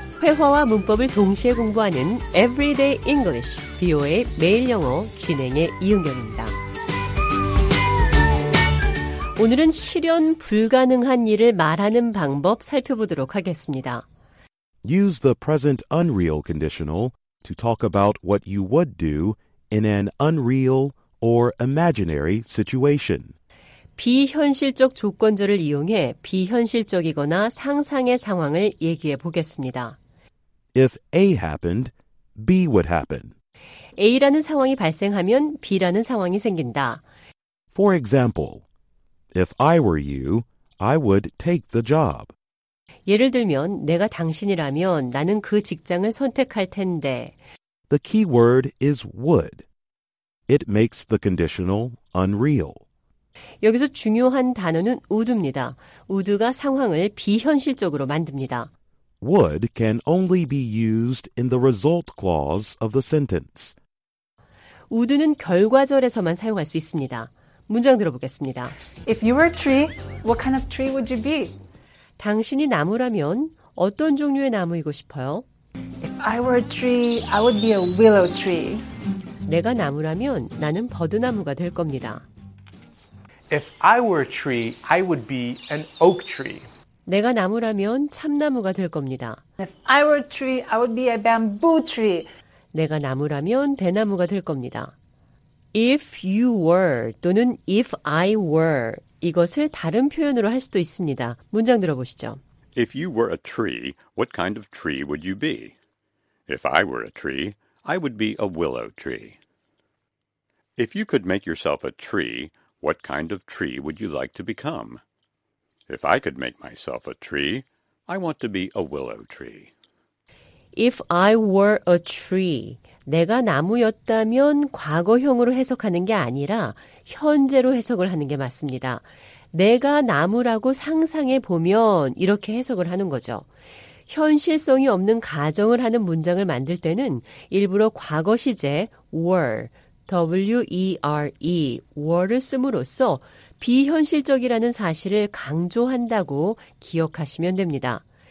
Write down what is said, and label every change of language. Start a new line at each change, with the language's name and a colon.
Korean: 회화와 문법을 동시에 공부하는 Everyday English, VOA 매일 영어 진행의 이은경입니다. 오늘은 실현 불가능한 일을 말하는 방법 살펴보도록 하겠습니다.
English: Use the present unreal conditional to talk about what you would do in an unreal or imaginary situation.
Korean: 비현실적 조건절을 이용해 비현실적이거나 상상의 상황을 얘기해 보겠습니다.
English: If A happened, B would happen.
Korean: A라는 상황이 발생하면 B라는 상황이 생긴다.
English: For example, if I were you, I would take the job.
Korean: 예를 들면 내가 당신이라면 나는 그 직장을 선택할 텐데.
English: The key word is would. It makes the conditional unreal.
Korean: 여기서 중요한 단어는 would입니다. would가 상황을 비현실적으로 만듭니다.
English: would can only be used in the result clause of the sentence.
Korean: would는 결과절에서만 사용할 수 있습니다. 문장 들어보겠습니다.
English: If you were a tree, what kind of tree would you be?
Korean: 당신이 나무라면 어떤 종류의 나무이고 싶어요?
English: If I were a tree, I would be a willow tree.
Korean: 내가 나무라면 나는 버드나무가 될 겁니다.
English: If I were a tree, I would be an oak tree.
Korean: 내가 나무라면 참나무가 될 겁니다.
English: If I were a tree, I would be a bamboo tree.
Korean: 내가 나무라면 대나무가 될 겁니다.
English: If you were
Korean: 또는
English: if I were
Korean: 이것을 다른 표현으로 할 수도 있습니다. 문장 들어보시죠.
English: If you were a tree, what kind of tree would you be? If I were a tree, I would be a willow tree. If you could make yourself a tree, what kind of tree would you like to become? If I could make myself a tree, I want to be a willow tree. If I were a tree,
Korean: 내가 나무였다면 과거형으로 해석하는 게 아니라 현재로 해석을 하는 게 맞습니다. 내가 나무라고 상상해 보면 이렇게 해석을 하는 거죠. 현실성이 없는 가정을 하는 문장을 만들 때는 일부러 과거 시제 were, W-E-R-E, were를 씀으로써 비현실적이라는 사실을 강조한다고 기억하시면 됩니다.